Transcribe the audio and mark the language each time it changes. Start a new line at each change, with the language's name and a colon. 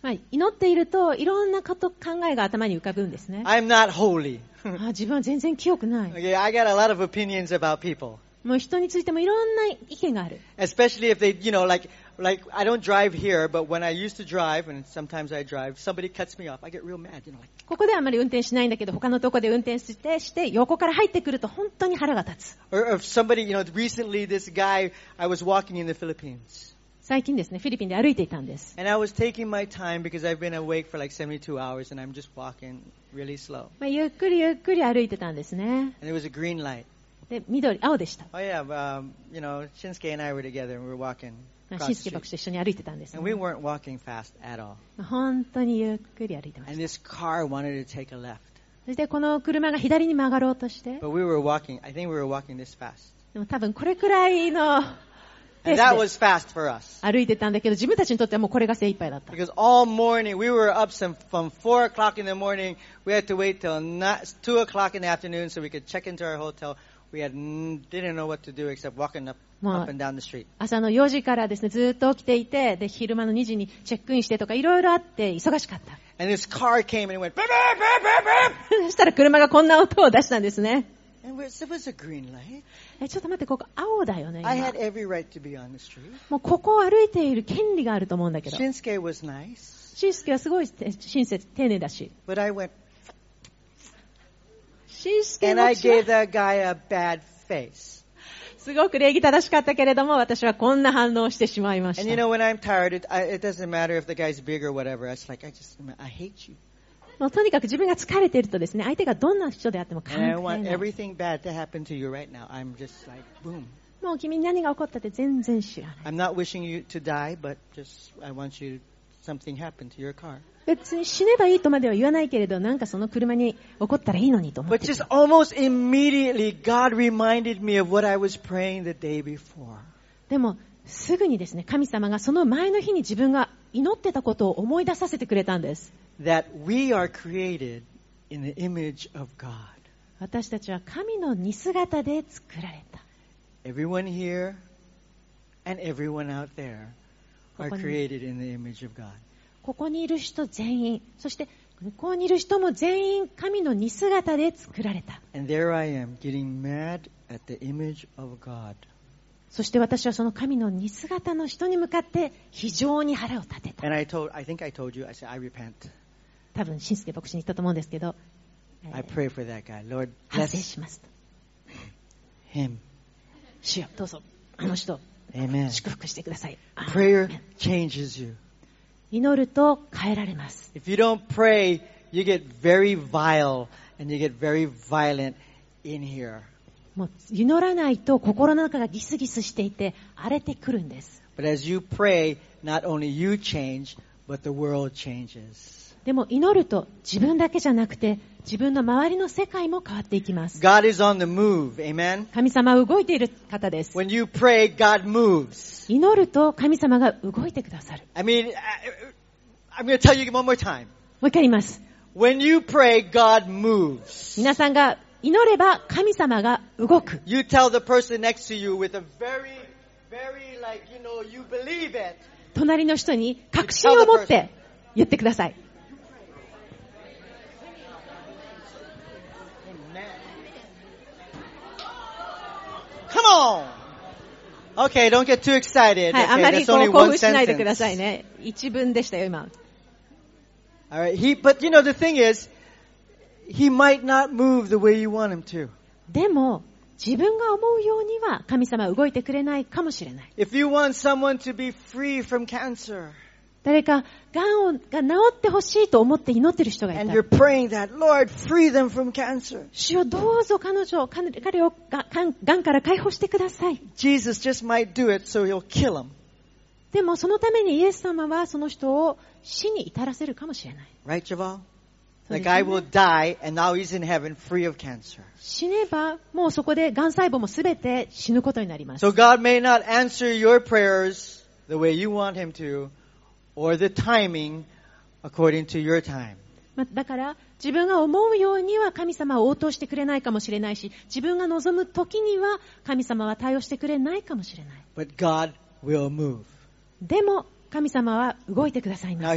Japanese: はい、祈っているといろんなこと考えが頭に浮かぶんですね。
English: I'm not holy.
Japanese: 自分は全然清くない。
English: Okay, I got a lot of opinions about people.
Japanese: もう人についてもいろんな意見がある。
English: Especially if they, you know, like, like I don't drive here, but when I used to drive, and sometimes I drive, somebody cuts me off, I get real mad, you know. Like,
Japanese: ここではあまり運転しないんだけど、他のとこで運転してして横から入ってくると本当に腹が立つ。
English: Or if somebody, you know, recently this guy, I was walking in the Philippines.
Japanese: 最近ですね、フィリピンで歩いていたんです。
English: And I was taking my time because I've been awake for like 72 hours, and I'm just walking really slow.
Japanese: まあゆっくりゆっくり歩いてたんですね。
English: And it was a green light.
Japanese: で緑青でした。
English: Oh yeah, you know, Shinsuke and I were together and we were walking.
Japanese: Shinsuke 牧師と一緒に歩いてたんです、ね。
English: And we weren't walking fast at all.
Japanese: 本当にゆっくり歩いてました。
English: And this car wanted to take a left.
Japanese: そしてこの車が左に曲がろうとして。
English: But we were walking. I think we were walking this fast.
Japanese: でも多分これくらいのペースで。
English: And that was fast for us.
Japanese: 歩いてたんだけど、自分たちにとってはもうこれが精一杯だった。
English: Because all morning we were up some from 4 o'clock in the morning. We had to wait till 2 o'clock in the afternoon so we could check into our hotel. We had, didn't know what to do except walking up, up and down the street.
Japanese: 朝の4時からですね、ずっと起きていて、で昼間の2時にチェックインしてとかいろいろあって忙しかった。
English: And this car came and went beep beep beep beep beep.
Japanese: そしたら車がこんな音を出したんですね。
English: And it was a green light.
Japanese: ちょっと待って、ここ青だよね。
English: I had every right to be on the street.
Japanese: もうここを歩いている権利があると思うんだけど。
English: Shinsuke was nice.
Japanese: Shinsuke はすごい親切、丁寧だし。
English: But I went. And I gave the guy a bad face.
Japanese: すごく礼儀正しかったけれども、私はこんな反応をしてしまいました。
English: And you know, when I'm tired, it doesn't matter if the guy's big or whatever. It's like, I hate you.
Japanese: もうとにかく自分が疲れているとですね、相手がどんな人であっても関係ない。
English: And I want everything bad to happen to you right now. I'm just like, boom.
Japanese: もう君に何が起こったって全然知らない。
English: I'm not wishing you to die, but just, I want you something happen to your car.
Japanese: 別に死ねばいいとまでは言わないけれど、なんかその車に起こったらいいのにと思って。
English: But just almost immediately, God reminded me of what I was praying the day before.
Japanese: でもすぐにですね、神様がその前の日に自分が祈ってたことを思い出させてくれたんです。
English: That we are created in the image of God.
Japanese: 私たちは神の似姿で作られた。
English: Everyone here and everyone out there are created in the image of God.
Japanese: ここにいる人全員、そして向こうにいる人も全員神の似姿で作られた。
English: And there I am, getting mad at the image of God.
Japanese: そして私はその神の似姿の人に向かって非常に腹を立てた。
English: And I think I told you, I said, I repent.
Japanese: 多分新助牧師に言ったと思うんですけど、
English: I pray for that guy. Lord,
Japanese: 反省しますと。
English: Him.
Japanese: 主よ、どうぞあの人、
English: Amen.
Japanese: 祝福してください。
English: Prayer changes you.
Japanese: 祈ると変えられます。
English: If you don't pray, you get very vile and you get very violent in here.
Japanese: もう祈らないと心の中がギスギスしていて荒れてくるんです。
English: But as you pray, not only you change, but the world changes.
Japanese: でも祈ると自分だけじゃなくて自分の周りの世界も変わっていきます。
English: God is on the move, amen.
Japanese: 神様は動いている方です。
English: When you pray, God moves.
Japanese: 祈ると神様が動いてくださる。
English: I mean, I'm going to tell you one more time.
Japanese: もう一回言います。
English: When you pray, God moves.
Japanese: 皆さんが祈れば神様が動く。
English: You tell the person next to you with a very, very like, you know, you believe it.
Japanese: 隣の人に確信を持って言ってください。
English: Come on. Okay, don't get too excited.
Japanese: はい、あまり興奮しないでくださいね。一文でしたよ、今。
English: All right, but you know, the thing is, he might not move the way you want him to.
Japanese: でも、自分が思うようには神様は動いてくれないかもしれない。
English: If you want someone to be free from cancer,
Japanese: 誰か、癌が治ってほしいと思って祈ってる人がいた。
English: And you're praying that, Lord, free them from cancer.
Japanese: 主よ、どうぞ彼女、彼を癌から解放してください。
English: Jesus just might do it, so he'll kill him.
Japanese: でもそのためにイエス様はその人を死に至らせるかもしれない。
English: Right, Javal? The guy will die, and now he's in heaven, free of cancer.
Japanese: 死ねば、もうそこで癌細胞もすべて死ぬことになります。
English: So God may not answer your prayers the way you want him to. Or the timing according to your time.
Japanese: だから自分が思うようには神様は応答してくれないかもしれないし、自分が望む時には神様は対応してくれないかもしれない。
English: But God will move.
Japanese: でも神様は動いてくださいます。